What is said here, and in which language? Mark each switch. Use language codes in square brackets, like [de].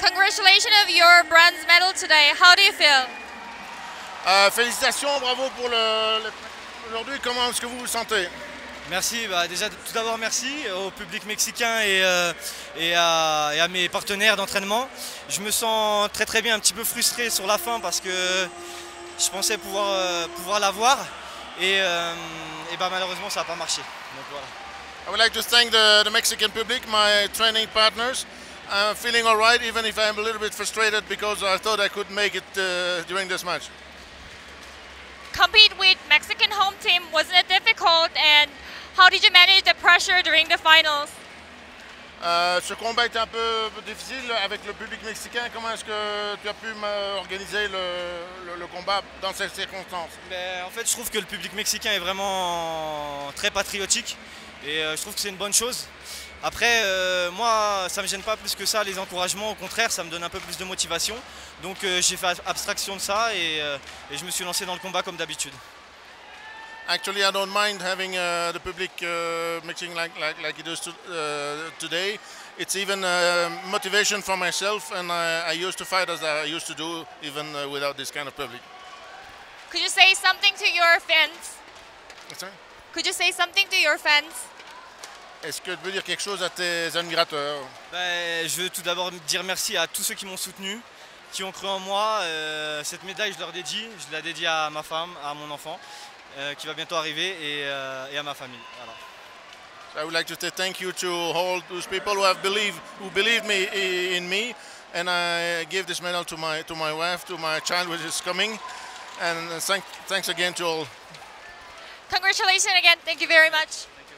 [en] Congratulations of your bronze medal today. How do you feel? [fr] Félicitations, bravo pour le, le aujourd'hui. Comment est-ce que vous vous sentez? Merci. Bah déjà, tout d'abord, merci au public mexicain et à mes partenaires d'entraînement. Je me sens très très bien, un petit peu frustré sur la fin parce que je pensais pouvoir pouvoir l'avoir et bah malheureusement ça n'a pas marché. Donc voilà. [en] I would like to thank the Mexican public, my training partners. I'm feeling all right, even if I'm a little bit frustrated because I thought I could make it during this match. Compete with Mexican home team, wasn't it difficult? And how did you manage the pressure during the finals? [fr] Ce combat était un peu difficile avec le public mexicain. Comment est-ce que tu as pu organiser le combat dans ces circonstances? Mais en fait, je trouve que le public mexicain est vraiment très patriotique et je trouve que c'est une bonne chose. Après, moi, ça ne me gêne pas plus que ça, les encouragements. Au contraire, ça me donne un peu plus de motivation. Donc, j'ai fait abstraction de ça et je me suis lancé dans le combat comme d'habitude. [en] Actually, I don't mind having the public mixing like it does today. It's even motivation for myself, and I used to fight as I used to do, even without this kind of public. Could you say something to your fans? Sorry? Could you say something to your fans? [fr] Est-ce que tu veux dire quelque chose à tes admirateurs? Ben, je veux tout d'abord dire merci à tous ceux qui m'ont soutenu, qui ont cru en moi. Cette médaille, je leur dédie. Je la dédie à ma femme, à mon enfant, qui va bientôt arriver, et à ma famille. Voilà. [en] So I would like to say thank you to all those people who believed me in me, and I give this medal to my wife, to my child, which is coming, and thanks again to all. Congratulations again. Thank you very much.